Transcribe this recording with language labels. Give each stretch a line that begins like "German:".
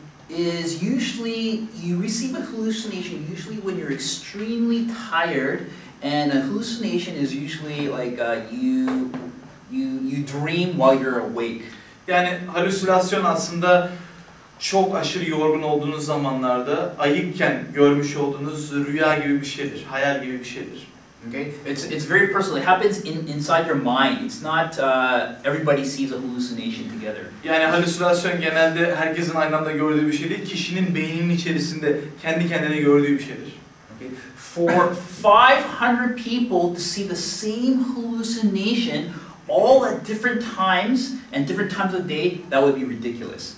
English: Is usually you receive a hallucination usually when you're extremely tired, and a hallucination is usually like you dream while you're awake.
Turkish: Yani halüsinasyon aslında çok aşırı yorgun olduğunuz zamanlarda ayıkken görmüş olduğunuz rüya gibi bir şeydir, hayal gibi bir şeydir.
English: Okay, it's very personal. It happens inside your mind. It's not everybody sees a hallucination together.
Turkish: Yani halüsinasyon genelde herkesin aynı anda gördüğü bir şeydir. Kişinin beyninin içerisinde kendi kendine gördüğü bir şeydir.
English: Okay, for 500 people to see the same hallucination all at different times and different times of the day, that would be ridiculous.